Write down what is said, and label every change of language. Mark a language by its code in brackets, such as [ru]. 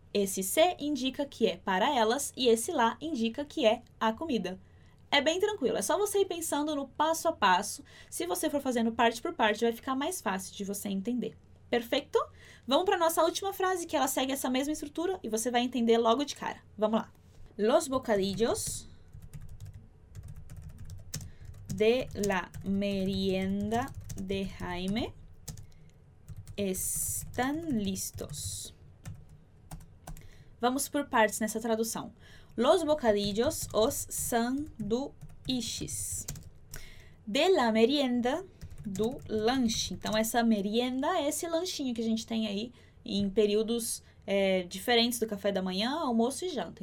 [pt] Esse se indica que é para elas e esse la indica que é a comida. É bem tranquilo, é só você ir pensando no passo a passo. Se você for fazendo parte por parte, vai ficar mais fácil de você entender. Perfeito? Vamos para a nossa última frase, que ela segue essa mesma estrutura e você vai entender logo de cara. Vamos lá. [es] Los bocadillos de la merienda de Jaime están listos. [pt] Vamos por partes nessa tradução. [es] Los bocadillos, [pt] os sanduíches [es] de la merienda, [pt] do lanche. Então, essa merienda é esse lanchinho que a gente tem aí em períodos diferentes do café da manhã, almoço e janta.